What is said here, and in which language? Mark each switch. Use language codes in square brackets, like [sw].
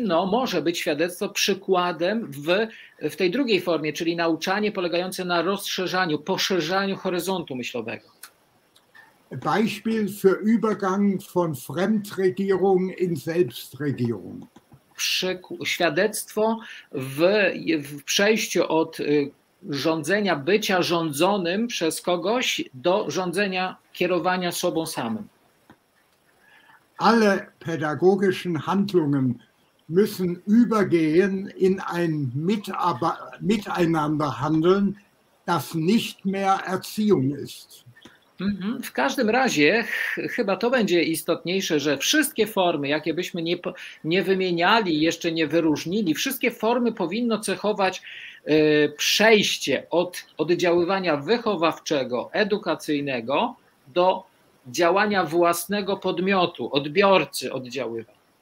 [pl] Może być świadectwo przykładem w tej drugiej formie, czyli nauczanie polegające na rozszerzaniu, poszerzaniu horyzontu myślowego. [de] Beispiel für Übergang von Fremdregierung in Selbstregierung. [pl] Świadectwo w przejściu od rządzenia, bycia rządzonym przez kogoś do rządzenia, kierowania sobą samym. [de] Alle pedagogischen Handlungen müssen übergehen in ein Miteinander handeln, das nicht mehr Erziehung ist. [pl] W każdym razie chyba to będzie istotniejsze, że wszystkie formy, jakie byśmy nie wymieniali, jeszcze nie wyróżnili, wszystkie formy powinno cechować przejście od oddziaływania wychowawczego, edukacyjnego do działania własnego podmiotu, odbiorcy oddziaływa.